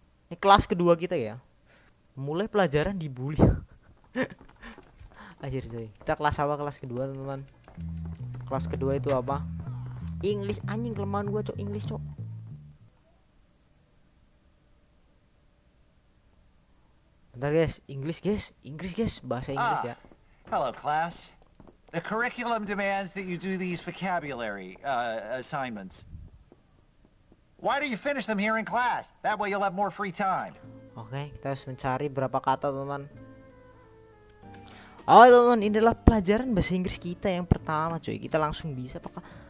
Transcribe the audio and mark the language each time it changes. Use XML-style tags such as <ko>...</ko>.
<id>Ini kelas kedua kita ya. Mulai pelajaran dibully. Anjir coy. Kita kelas apa? Kelas kedua, teman-teman. Kelas kedua itu apa? English, anjing kelemahan gua coy, English coy. Bentar guys, English guys, bahasa Inggris ya.</id> <en>Hello class. The curriculum demands that you do these vocabulary assignments. Why do you finish them here in class? That way you'll have more free time.</en> <id>Oke, kita harus mencari berapa kata, teman-teman. Oh, teman-teman, ini adalah pelajaran bahasa Inggris kita yang pertama, cuy. Kita langsung bisa apakah?</id>